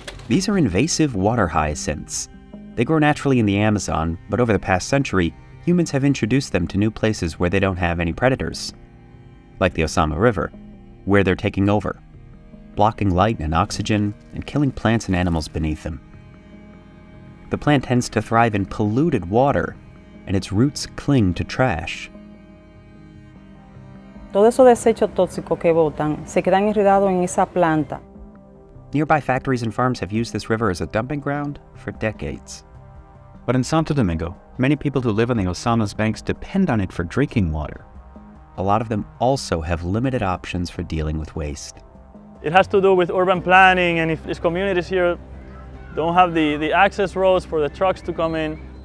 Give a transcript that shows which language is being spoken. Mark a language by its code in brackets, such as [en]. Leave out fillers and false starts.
[en] These are invasive water hyacinths. They grow naturally in the Amazon, but over the past century, humans have introduced them to new places where they don't have any predators. Like the Ozama River, where they're taking over, blocking light and oxygen, and killing plants and animals beneath them. The plant tends to thrive in polluted water, and its roots cling to trash. [es] Todo eso desecho tóxico que botan se queda enredado en esa planta. [en] Nearby factories and farms have used this river as a dumping ground for decades. But in Santo Domingo, many people who live on the Ozama's banks depend on it for drinking water. A lot of them also have limited options for dealing with waste. It has to do with urban planning, and if these communities here don't have the access roads for the trucks to come in.